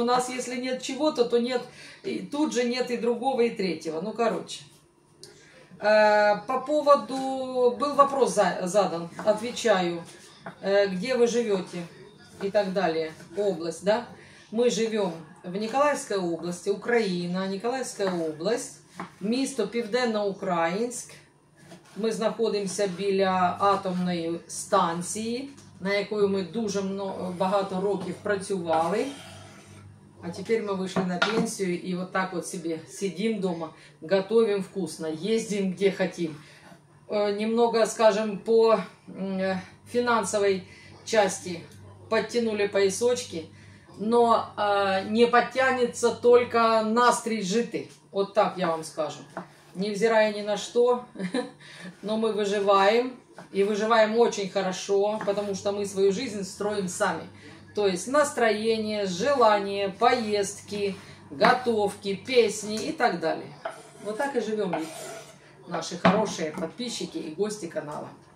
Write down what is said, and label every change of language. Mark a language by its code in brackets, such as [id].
[ru] У нас, если нет чего-то, то нет, и тут же нет и другого, и третьего. Ну, короче. По поводу... Был вопрос задан. Отвечаю. Где вы живете? И так далее. Область, да? Мы живем в Николаевской области, Украина. Николаевская область. [uk] Місто Південноукраїнськ. [ru] Мы [uk] знаходимся біля атомної станції, на якої ми дуже багато років працювали. А тепер ми вийшли на пенсію і вот так вот себе сидим вдома, [ru] готовим вкусно, [uk] їздимо [ru] где хотим. Немного, скажем, по фінансовій части підтягнули поясочки, но не подтянется только настрій жити. [uk] От так я вам скажу. [ru] Невзирая ни на что, но мы выживаем, и выживаем очень хорошо, потому что мы свою жизнь строим сами. То есть настроение, желание, поездки, готовки, песни и так далее. Вот так и живем, наши хорошие подписчики и гости канала.